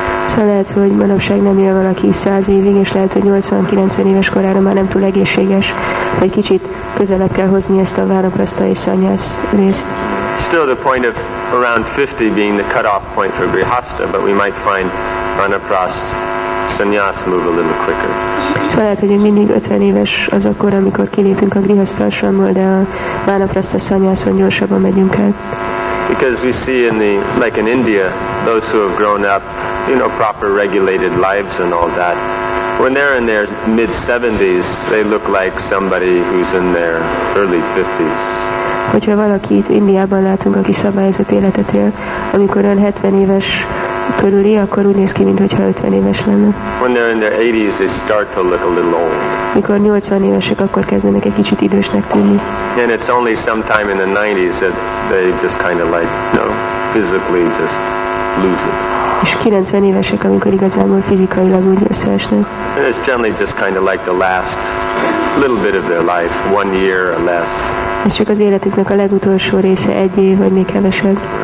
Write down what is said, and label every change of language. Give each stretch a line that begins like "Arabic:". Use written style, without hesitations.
Hungarian: Szóval lehet, hogy manapság nem él valaki 100 évig, és lehet, hogy 80-90 éves korára már nem túl egészséges, szóval egy kicsit közelebb kell hozni ezt a vanaprastha és sannyas részt.
English: Still the point of around 50 being the cut-off point for grihastha, but we might find vanaprastha sannyas move a little quicker.
Hungarian: Szóval lehet, hogy mindig 50 éves az akkor, amikor kilépünk a grihastha ashramból, de a vanaprastha sannyason gyorsabban megyünk el.
English: Because we see in India, those who have grown up, proper regulated lives and all that, when they're in their mid-70s, they look like somebody who's in their early 50s.
Hungarian: Hogyha valakit Indiában látunk, aki szabályozott életet él, amikor olyan 70 éves körüli, akkor úgy néz ki, mintha 50 éves lenne.
English: When they're in their 80s, they start to look a little old.
Hungarian: Mikor 80 évesek, akkor kezdenek egy kicsit idősnek tűnni.
English: And it's only sometime in the 90s that they just physically just lose it.
Hungarian: És 90 évesek, amikor igazából fizikailag úgy összeesnek.
English: And it's generally just the last little bit of their life, one year or less.
Hungarian: Ez csak az életüknek a legutolsó része, egy év, vagy még kevesebb.